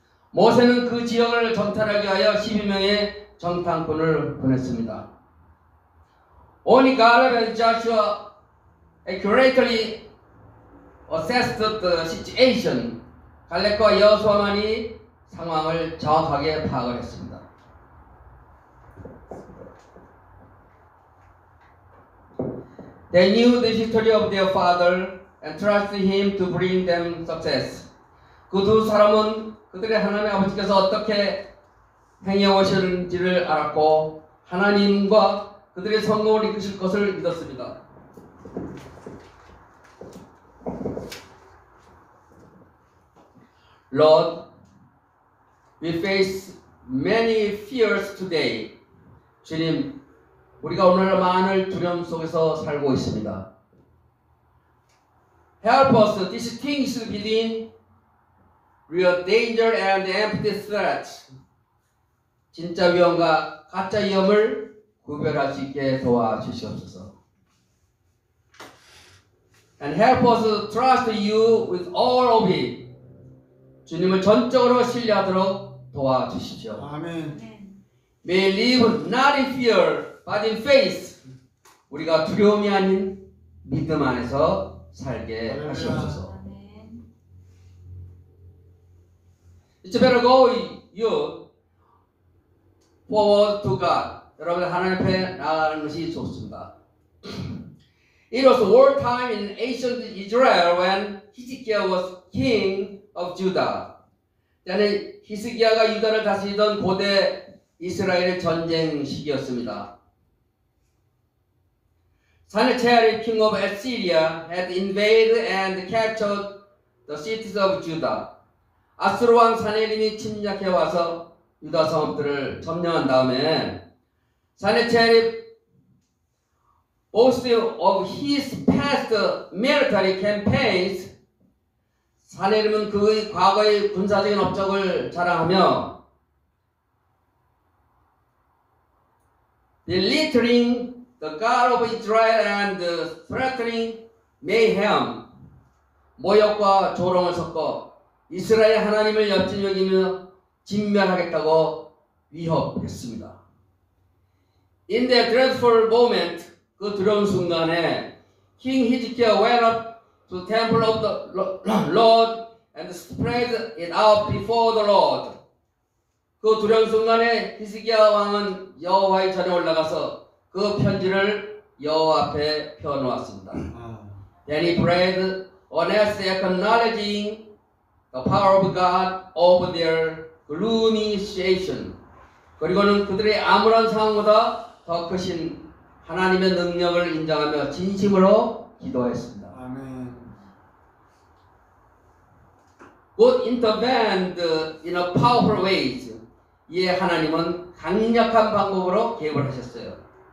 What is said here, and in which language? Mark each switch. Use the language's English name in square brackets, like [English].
[Korean] 모세는 그 지역을 정탐하기 위하여 12명의 정탐꾼을 보냈습니다. [English] Only Caleb and Joshua accurately assessed the situation. [Korean] 갈렙과 여호수아만이 상황을 정확하게 파악을 했습니다. [English] They knew the history of their father and trusted him to bring them success. [Korean] 그 두 사람은 그들의 하나님 아버지께서 어떻게 행해오셨는지를 알았고 하나님과 그들의 성공을 이끄실 것을 믿었습니다. [English] Lord, we face many fears today. [Korean] 주님, 우리가 오늘 많은 두려움 속에서 살고 있습니다. [English] Help us distinguish between real danger and empty threats. [Korean] 진짜 위험과 가짜 위험을 구별할 수 있게 도와주시옵소서. [English] And help us trust you with all of it. [Korean] 주님을 전적으로 신뢰하도록 도와주시죠. 아멘. [English] May live not in fear, but in faith. [Korean] 우리가 두려움이 아닌 믿음 안에서 살게 하시옵소서. 아멘. [English] It's better go you forward to God. [Korean] 여러분 하나님 앞에 나아가는 것이 좋습니다. [English] It was war time in ancient Israel when Hezekiah was king of Judah. [Korean] 때는 히스기야가 유다를 다스리던 고대 이스라엘의 전쟁 시기였습니다. [English] Sennacherib, king of Assyria, had invaded and captured the cities of Judah. [Korean] 아수르 왕 산헤립이 침략해 와서 유다 성읍들을 점령한 다음에 [English] Sennacherib boasted of his past military campaigns. [Korean] 산헤립은 그의 과거의 군사적인 업적을 자랑하며 [English] belittling the God of Israel and threatening mayhem. [Korean] 모욕과 조롱을 섞어 이스라엘 하나님을 옆집 여기며 진멸하겠다고 위협했습니다. [English] In that dreadful moment, [Korean] 그 두려운 순간에 [English] King Hezekiah went up to the temple of the Lord and spread it out before the Lord. [Korean] 그 두려운 순간에 히스기야 왕은 여호와의 전에 올라가서 그 편지를 여호와 앞에 펴놓았습니다. [English] Then he prayed, honestly acknowledging the power of God over their gloomy situation. [Korean] 그리고는 그들의 암울한 상황보다 더 크신 하나님의 능력을 인정하며 진심으로 기도했습니다. [English] God intervened in a powerful way. [Korean] 예, 하나님은 강력한 방법으로 개입을 하셨어요.